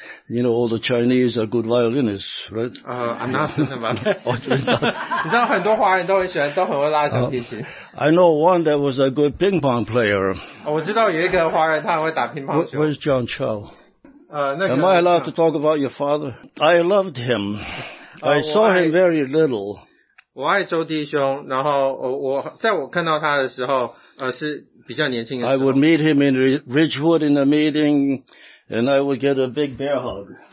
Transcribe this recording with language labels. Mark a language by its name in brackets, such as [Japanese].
[English] You know, all the Chinese are good violinists, right? I know one that was a good ping pong player. Where's John Cho? Am I allowed to talk about your father? I loved him. I saw him very little. [Chinese] 我爱周弟兄，然后我在我看到他的时候，是比较年轻的时候。 [English] I would meet him in Ridgewood in a meeting. And I would get a big bear hug.